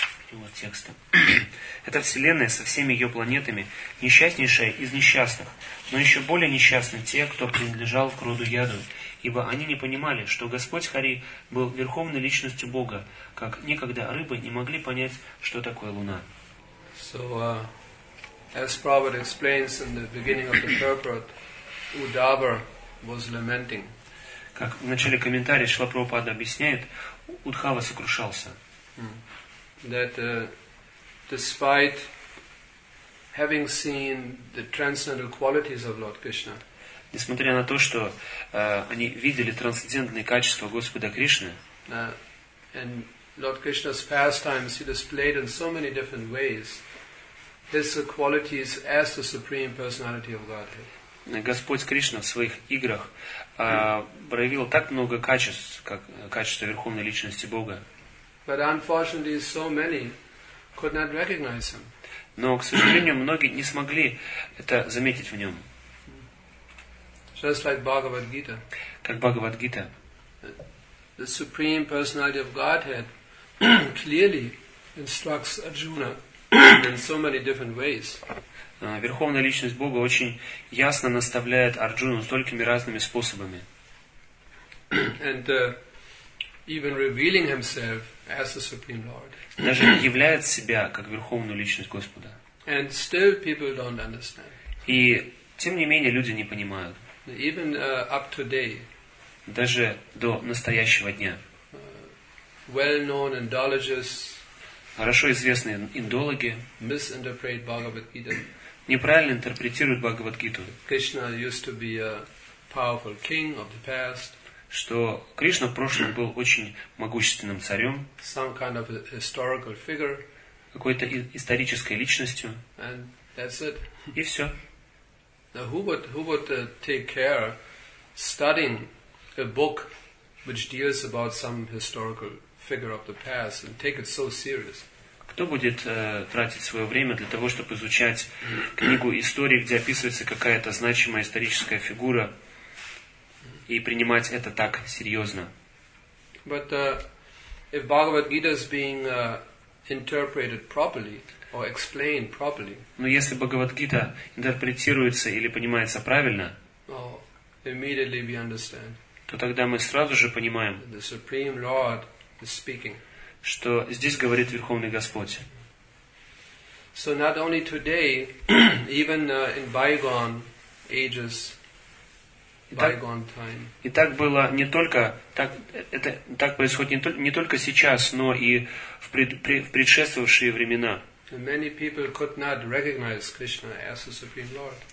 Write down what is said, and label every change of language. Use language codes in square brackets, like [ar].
[ru] Перевод текста. Эта вселенная со всеми ее планетами несчастнейшая из несчастных, но еще более несчастны те, кто принадлежал к роду Яду, ибо они не понимали, что Господь Хари был верховной личностью Бога, как некогда рыбы не могли понять, что такое Луна. [en] So, as Prabhupada explains in the beginning of the purport, Uddhava was lamenting. [ru] Как в начале комментария Шрила Прабхупада объясняет, Удхава сокрушался. [en] That despite having seen the transcendental qualities of Lord Krishna, [ru] несмотря на то, что они видели трансцендентные качества Господа Кришны, [en] And Lord Krishna's pastimes he displayed in so many different ways his qualities as the Supreme Personality of Godhead. [ru] Господь Кришна в своих играх проявил так много качеств, как качества Верховной Личности Бога. [en] But unfortunately, so many could not recognize him. [ru] Но, к сожалению, многие не смогли это заметить в нем. [en] Just like Bhagavad Gita. [ru] Как Бхагавад Гита. [en] The Supreme Personality of Godhead clearly instructs Arjuna in so many different ways. [ru] Верховная Личность Бога очень ясно наставляет Арджуну столькими разными способами. [en] And even revealing himself as the Supreme Lord. [ru] Даже являет себя как Верховную Личность Господа. [en] And still people don't understand. [ru] И тем не менее люди не понимают. [en] Even up to today. [ru] Даже до настоящего дня. [en] Well-known indologists. [ru] Хорошо известные индологи. [en] Misinterpret Bhagavad Gita. [ru] Неправильно интерпретируют Бхагавад-гиту. [en] Krishna used to be a powerful king of the past. [ru] Что Кришна в прошлом был очень могущественным царем. [en] Some kind of historical figure. [ru] Какой-то исторической личностью. [en] And that's it. [ru] И все. [en] Now who would take care studying a book which deals about some historical figure of the past and take it so serious? [ru] Кто будет тратить свое время для того, чтобы изучать книгу истории, где описывается какая-то значимая историческая фигура, и принимать это так серьезно? [en] But if Bhagavad Gita is being interpreted properly or explained properly, [ru] но если Бхагавад Гита интерпретируется или понимается правильно, [en] immediately we understand, [ru] то тогда мы сразу же понимаем, [en] the Supreme Lord is speaking. [ru] Что здесь говорит Верховный Господь. [en] So not only today, even in bygone ages, bygone time. [ru] И так было не только так, это так происходит не только сейчас, но и в предшествовавшие времена. [en] And many people could not recognize Krishna as the Supreme Lord.